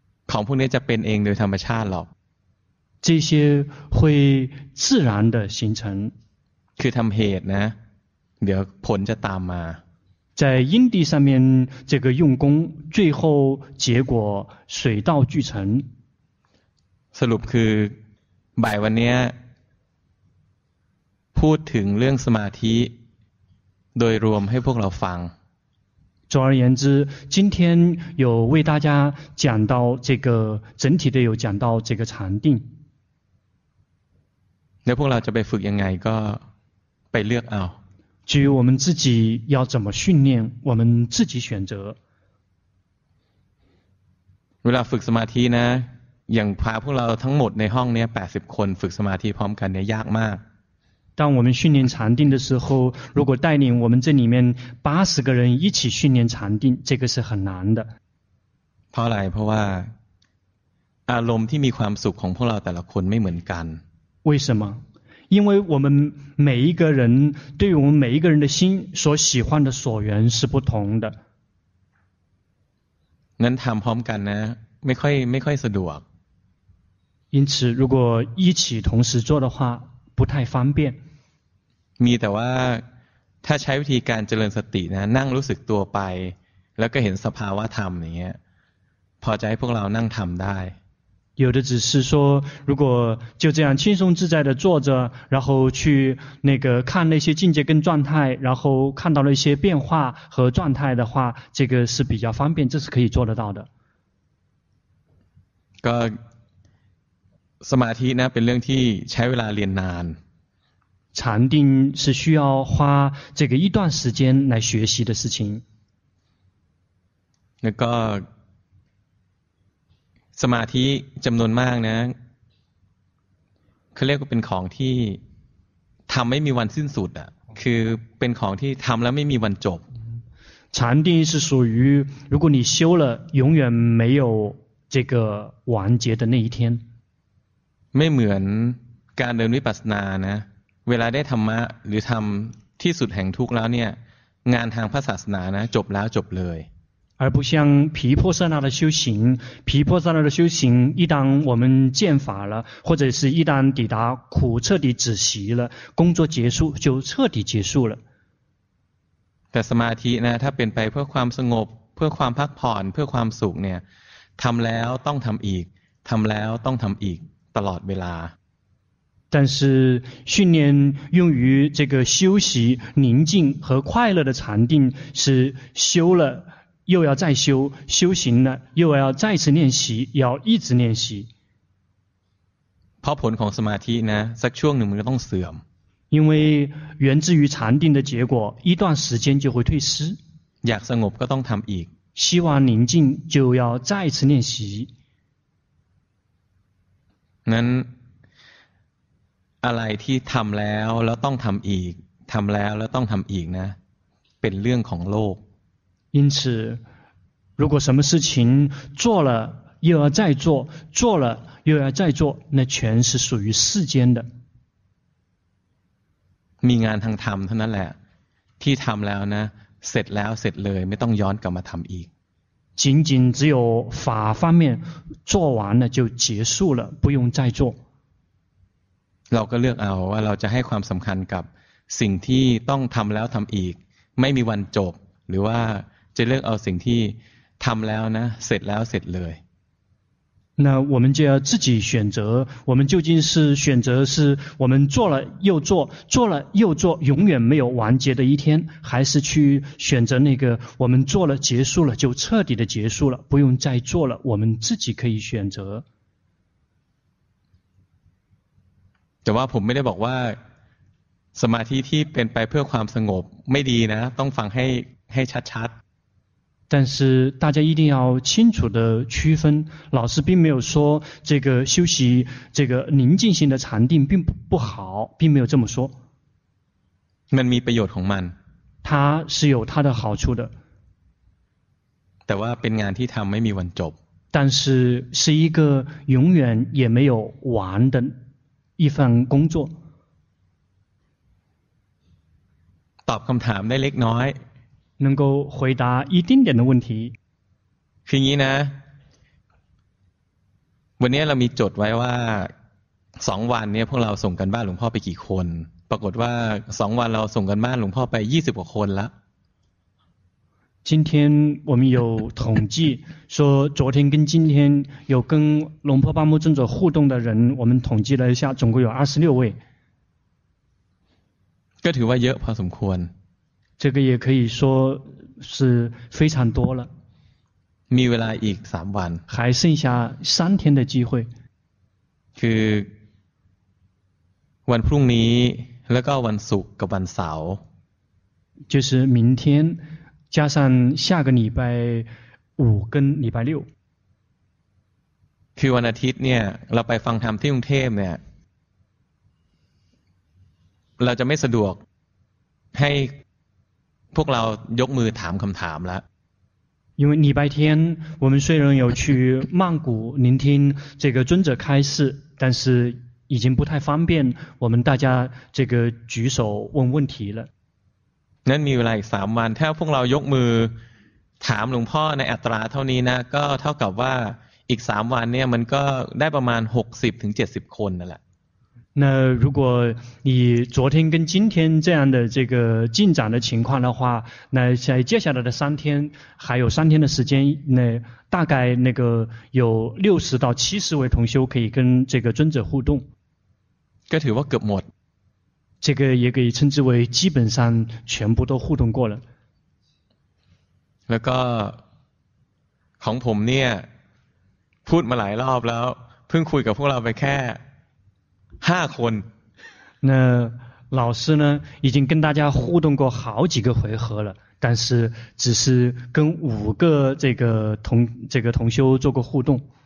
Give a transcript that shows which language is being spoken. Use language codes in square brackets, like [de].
[th] ของพวกนี้จะเป็นเองโดยธรรมชาติหรอก [zh] 这些会自然的形成 [th] คือทำเหตุนะเดี๋ยวผลจะตามมา [zh] 在因地上面这个用功最后结果水到渠成 [th] สรุปคือบ่ายวันนี้พูดถึงเรื่องสมาธิโดยรวมให้พวกเราฟัง [zh] 总而言之今天有为大家讲到这个整体的有讲到这个禅定 [th] แล้วพวกเราจะไปฝึกยังไงก็ไปเลือกเอา [zh] 至于我们自己要怎么训练我们自己选择 [th] เวลาฝึกสมาธินะอย่างพาพวกเราทั้งหมดในห้องนี้80คนฝึกสมาธิพร้อมกันเนี่ยยากมาก [zh] 当我们训练禅定的时候如果带领我们这里面80个人一起训练禅定这个是很难的 [th] เพราะอะไรเพราะว่าอารมณ์ที่มีความสุขของพวกเราแต่ละคนไม่เหมือนกัน [zh] 为什么因为我们每一个人对于我们每一个人的心所喜欢的所缘是不同的 [th] นั้นทำพร้อมกันนะไม่ค่อยสะดวก [zh] 因此如果一起同时做的话不太方便 [th] มีแต่ว่าถ้าใช้วิธีการเจริญสตินะนั่งรู้สึกตัวไปแล้วก็เห็นสภาวะธรรมอย่างเงี้ยพอจะให้พวกเรานั่งทำได้ [zh] 有的只是说如果就这样轻松自在的坐着然后去那个看那些境界跟状态然后看到了一些变化和状态的话这个是比较方便这是可以做得到的 [th] ก็สมาธินะเป็นเรื่องที่ใช้เวลาเรียนนาน [zh] 禅定是需要花这个一段时间来学习的事情 [th] แล้วก็สมาธิจำนวนมากนะเขาเรียกว่าเป็นของที่ทำไม่มีวันสิ้นสุดอ่ะคือเป็นของที่ทำแล้วไม่มีวันจบ [zh] 禅定是属于如果你修了永远没有这个完结的那一天 [th] ไม่เหมือนการเดินวิปัสสนานะเวลาได้ธรรมะหรือทำที่สุดแห่งทุกข์แล้วเนี่ยงานทางพระศาสนานะจบแล้วจบเลย [zh] 而不像毗婆舍那的修行毗婆舍那的修行一旦我们见法了或者是一旦抵达苦彻底止息了工作结束就彻底结束了 [th] แต่สมาธินะถ้าเป็นไปเพื่อความสงบเพื่อความพักผ่อนเพื่อความสุขเนี่ยทำแล้วต้องทำอีกทำแล้วต้องทำอีกตลอดเวลา [zh] 但是训练用于这个休息宁静和快乐的禅定是修了又要再修修行了又要再次练习要一直练习 [th] เพราะผลของสมาธินะสักช่วงหนึ่งมันก็ต้องเสื่อม [zh] 因为源自于禅定的结果一段时间就会退失 [th] อยากสงบก็ต้องทำอีก [zh] 希望宁静就要再一次练习 [th] นั้นอะไรที่ทำแล้วแล้วต้องทำอีกทำแล้วแล้วต้องทำอีกนะเป็นเรื่องของโลก [zh] 因此如果什么事情做了又要再做，做了又要再做，那全是属于世间的。 [th] มีงานทางธรรมเท่านั้นแหละที่ทำแล้วนะเสร็จแล้วเสร็จเลยไม่ต้องย้อนกลับมาทำอีก [zh] 仅仅只有法方面做完了就结束了，不用再做。 [th] เราก็เลือกเอาว่าเราจะให้ความสำคัญกับสิ่งที่ต้องทำแล้วทำอีกไม่มีวันจบหรือว่าจะเลือกเอาสิ่งที่ทำแล้วนะเสร็จแล้วเสร็จเลย [zh] 那我们就要自己选择，我们究竟是选择是我们做了又做，做了又做，永远没有完结的一天，还是去选择那个我们做了结束了就彻底的结束了，不用再做了，我们自己可以选择。 [th] แต่ว่าผมไม่ได้บอกว่าสมาธิที่เป็นไปเพื่อความสงบไม่ดีนะต้องฟังให้ชัดชัด [zh] 但是大家一定要清楚的区分，老师并没有说这个休息这个宁静性的禅定并不好，并没有这么说。 [th] มันมีประโยชน์ของมัน [zh] 它是有它的好处的。 [th] แต่ว่าเป็นงานที่ทำไม่มีวันจบ [zh] 但是是一个永远也没有完的一份工作。 [th] ตอบคำถามได้เล็กน้อย [zh] 能够回答一丁点的问题。 [th] คืออย่างนี้นะวันนี้เรามีจดไว้ว่า2วันเนี่ยพวกเราส่งกันบ้านหลวงพ่อไปกี่คนปรากฏว่า2วันเราส่งกันบ้านหลวงพ่อไป20กว่าคนแล้ว [zh] 今天我们有统计说昨天跟今天有跟龙婆巴木尊者互动的人我们统计了一下总共有26位 [th] ก็ถือว่าเยอะพอสมควร [zh] 这个也可以说是非常多了 [th] มีเวลาอีก3วัน [zh] 还剩下3天的机会 [th] คือวันพรุ่งนี้แล้วก็วันศุกร์กับวันเสาร์ [zh] 就是明天加上下个礼拜五跟礼拜六 [th] คือวันอาทิตย์เนี่ยเราไปฟังธรรมที่กรุงเทพเนี่ยเราจะไม่สะดวกให้พวกเรายกมือถามคำถามแล้ [zh] ว因为礼拜天我们虽然有去曼谷聆听这个尊者开示但是已经不太方便我们大家这个举手问问题了 [th] นั่นมีเวลาอีก3วันถ้าพวกเรายกมือถามหลวงพ่อในอัตราเท่านี้นะก็เท่ากับว่าอีก3วันเนี่ยมันก็ได้ประมาณ 60-70 คนนั่นแหละ [zh] 那如果你昨天跟今天这样的这个进展的情况的话那在接下来的三天还有三天的时间那大概那个有60-70位同修可以跟这个尊者互动 [th] ก็ถือว่าเกือบหมด [zh] 这个也可以称之为基本上全部都互动过了 [th] แล้วก็ของผมเนี่ยพูดมาหลายรอบแล้วเพิ่งคุยกับพวกเราไปแค่5คน [zh] 那老师呢已经跟大家互动过好几个回合了但是只是跟5个这个同修做过互动